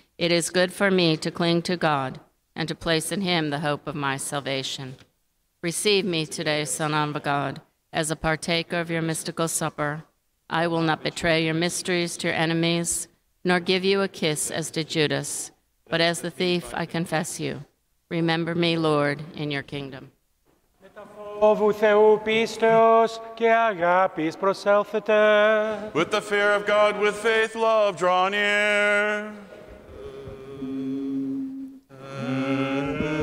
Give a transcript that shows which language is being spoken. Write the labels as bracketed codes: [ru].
[en] It is good for me to cling to God and to place in him the hope of my salvation. Receive me today, Son of God, as a partaker of your mystical supper. I will not betray your mysteries to your enemies, nor give you a kiss as did Judas, but as the thief I confess you. Remember me, Lord, in your kingdom. [el] Φόβου Θεού πίστεως και αγάπης προσέλθετε. [en] With the fear of God, with faith, love, draw near. Amen.